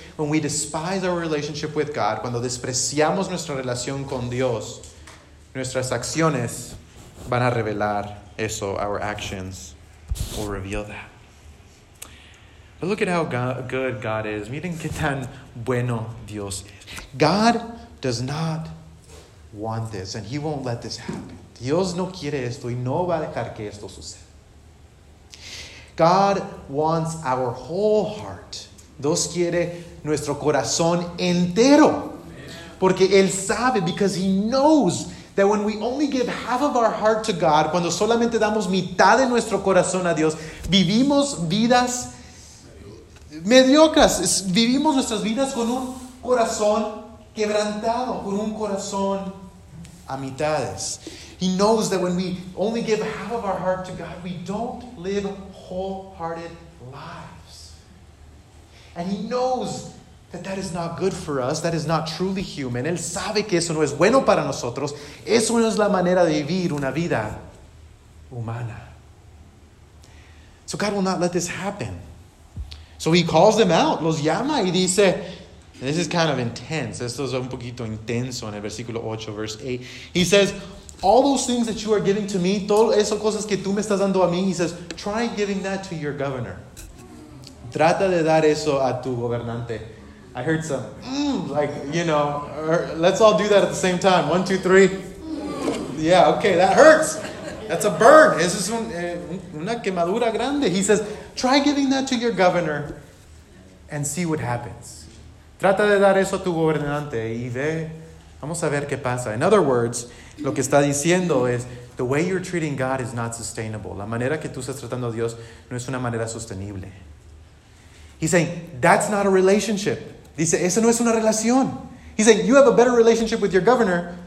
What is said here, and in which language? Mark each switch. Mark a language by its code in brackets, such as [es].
[en] When we despise our relationship with God, [es] cuando despreciamos nuestra relación con Dios, nuestras acciones van a revelar eso. [en] Our actions will reveal that. But look at how good God is. [es] Miren qué tan bueno Dios es. [en] God does not want this, and He won't let this happen. [es] Dios no quiere esto y no va a dejar que esto suceda. [en] God wants our whole heart. [es] Dios quiere nuestro corazón entero. Porque Él sabe, [en] because He knows that when we only give half of our heart to God, [es] cuando solamente damos mitad de nuestro corazón a Dios, vivimos vidas mediocres. Vivimos nuestras vidas con un corazón quebrantado, con un corazón a mitades. [en] He knows that when we only give half of our heart to God, we don't live wholehearted lives. And He knows that that is not good for us. That is not truly human. [es] Él sabe que eso no es bueno para nosotros. Eso no es la manera de vivir una vida humana. [en] So God will not let this happen. So He calls them out. [es] Los llama y dice, [en] this is kind of intense. [es] Esto es un poquito intenso en el versículo 8, [en] verse 8. He says, all those things that you are giving to me, [es] todo eso cosas que tú me estás dando a mí, [en] he says, try giving that to your governor. [es] Trata de dar eso a tu gobernante. [en] I heard some, like, you know, or, let's all do that at the same time. 1, 2, 3. Yeah, okay, that hurts. That's a burn. [es] Eso es una quemadura grande. [en] He says, try giving that to your governor and see what happens. [es] Trata de dar eso a tu gobernante y ve Vamos a ver qué pasa. [en] In other words, [es] lo que está diciendo es, [en] the way you're treating God is not sustainable. [es] La manera que tú estás tratando a Dios no es una manera sostenible. [en] He's saying, that's not a relationship. [es] Dice, eso no es una relación. [en] He's saying, you have a better relationship with your governor.